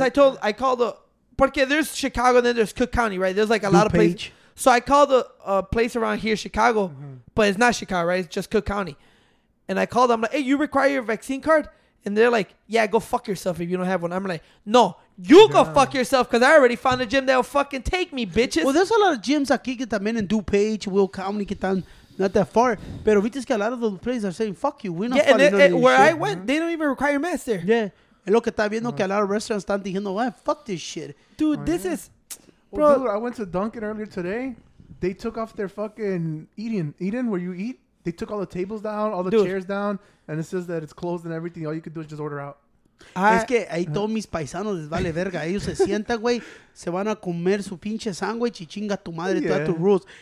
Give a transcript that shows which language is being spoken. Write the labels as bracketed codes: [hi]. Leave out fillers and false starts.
[en] I called the, [es] porque [en] there's Chicago, then there's Cook County, right? There's like a lot of places. So I called the place around here, Chicago, but it's not Chicago, right? It's just Cook County. And I called them, like, hey, you require your vaccine card? And they're like, yeah, go fuck yourself if you don't have one. I'm like, no, you go fuck yourself because I already found a gym that'll fucking take me, bitches. Well, there's a lot of gyms [es] aquí que también en DuPage, Will County, que están. [en] Not that far. [es] Pero [en] we just got a lot of those places are saying, fuck you. We're not fucking doing this shit. Where I went, they don't even require a mask there. Yeah. [es] Es lo que está viendo que [en] a lot of restaurants [es] están diciendo, [en] why fuck this shit. Dude, is... Bro. Well, dude, I went to Dunkin' earlier today. They took off their fucking Eden, where you eat. They took all the tables down, all the chairs down. And it says that it's closed and everything. All you could do is just order out. [es] Es que ahí todos mis paisanos les vale verga. Ellos se sientan, güey, se van a comer su pinche sándwich y chinga tu madre todas tus rules.